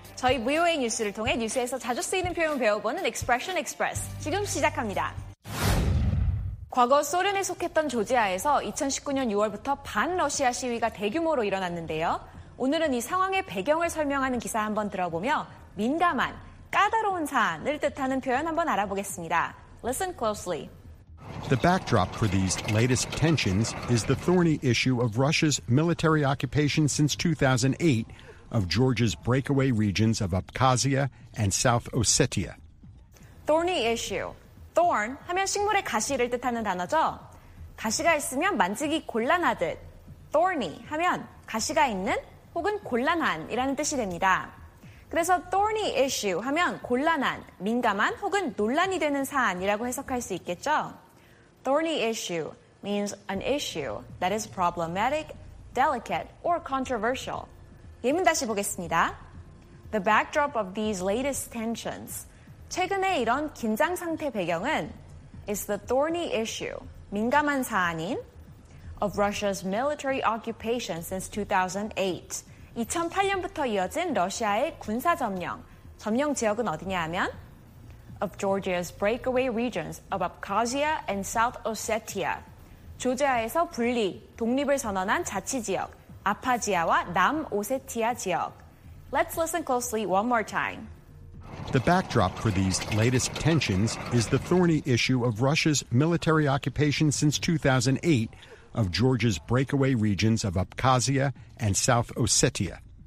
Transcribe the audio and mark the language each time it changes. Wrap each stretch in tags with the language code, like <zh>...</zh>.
<ko>저희 VOA 뉴스를 통해 뉴스에서 자주 쓰이는 표현을 배워보는 Expression Express, 지금 시작합니다. 과거 소련에 속했던 조지아에서 2019년 6월부터 반러시아 시위가 대규모로 일어났는데요. 오늘은 이 상황의 배경을 설명하는 기사 한번 들어보며 민감한, 까다로운 사안을 뜻하는 표현 한번 알아보겠습니다.</ko> <en>Listen closely. The backdrop for these latest tensions is the thorny issue of Russia's military occupation since 2008 of Georgia's breakaway regions of Abkhazia and South Ossetia. Thorny issue.</en> <ko>Thorn 하면 식물의 가시를 뜻하는 단어죠. 가시가 있으면 만지기 곤란하듯. Thorny 하면 가시가 있는 혹은 곤란한이라는 뜻이 됩니다. 그래서 thorny issue 하면 곤란한, 민감한 혹은 논란이 되는 사안이라고 해석할 수 있겠죠.</ko> <en>Thorny issue means an issue that is problematic, delicate, or controversial.</en> <ko>예문 다시 보겠습니다.</ko> <en>The backdrop of these latest tensions</en> <ko>최근에 이런 긴장 상태 배경은</ko> <en>is the thorny issue,</en> <ko>민감한 사안인</ko> <en>of Russia's military occupation since 2008.</en> <ko>2008년부터 이어진 러시아의 군사 점령, 점령 지역은 어디냐 하면</ko> <en>of Georgia's breakaway regions of Abkhazia and South Ossetia.</en> <ko>조지아에서 분리, 독립을 선언한 자치 지역, 아파지아와 남 오세티아 지역.</ko> <en>Let's listen closely one more time. The backdrop for these latest tensions is the thorny issue of Russia's military occupation since 2008 of Georgia's breakaway regions of Abkhazia and South Ossetia.</en>